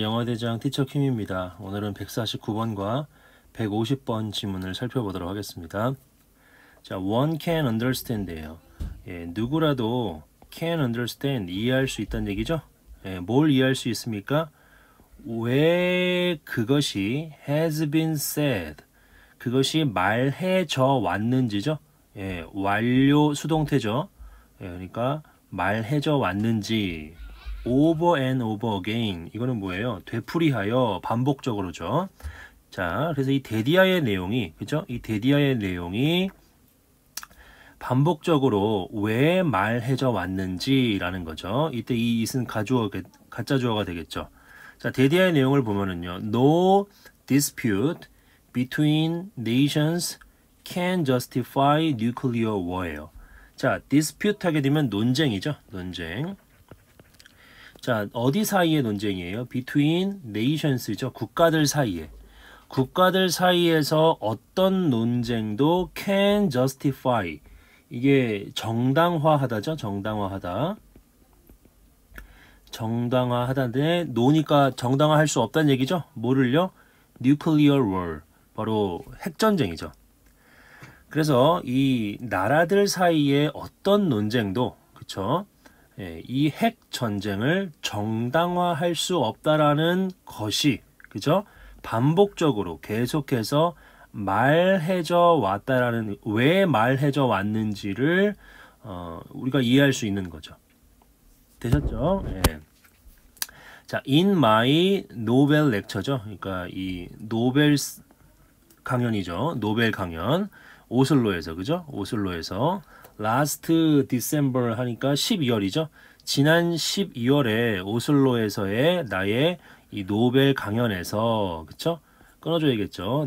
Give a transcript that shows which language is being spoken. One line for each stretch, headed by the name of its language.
Korean: 영어대장 티처킴입니다. 오늘은 149번과 150번 지문을 살펴보도록 하겠습니다.
English: 자, one can understand예요.
Korean: 예, 누구라도
English: can understand,
Korean: 이해할 수 있다는 얘기죠? 예, 뭘 이해할 수 있습니까? 왜 그것이
English: has been said,
Korean: 그것이 말해져 왔는지죠? 예, 완료 수동태죠? 예, 그러니까 말해져 왔는지.
English: Over and over again.
Korean: 이거는 뭐예요? 되풀이하여 반복적으로죠. 자, 그래서 이 대디아의 내용이, 그죠? 이 대디아의 내용이 반복적으로 왜 말해져 왔는지라는 거죠. 이때 이 is은 가짜 주어가 되겠죠. 자, 대디아의 내용을 보면은요.
English: No dispute between nations can justify nuclear war예요.
Korean: 자, dispute 하게 되면 논쟁이죠. 논쟁. 자, 어디 사이의 논쟁이에요?
English: Between nations
Korean: 죠. 국가들 사이에. 국가들 사이에서 어떤 논쟁도
English: can justify.
Korean: 이게 정당화하다죠. 정당화하다. 정당화하다는데, 노니까 정당화할 수 없다는 얘기죠. 뭐를요?
English: Nuclear war.
Korean: 바로 핵전쟁이죠. 그래서 이 나라들 사이에 어떤 논쟁도, 그쵸? 예, 이핵 전쟁을 정당화할 수 없다라는 것이, 그죠? 반복적으로 계속해서 말해져 왔다라는, 왜 말해져 왔는지를, 우리가 이해할 수 있는 거죠. 되셨죠? 예.
English: 자, in my Nobel lecture죠.
Korean: 그러니까 이 노벨 강연이죠. 노벨 강연. 오슬로에서, 그죠? 오슬로에서.
English: Last December
Korean: 하니까 12월이죠. 지난 12월에 오슬로에서의 나의 이 노벨 강연에서, 그쵸? 끊어줘야겠죠?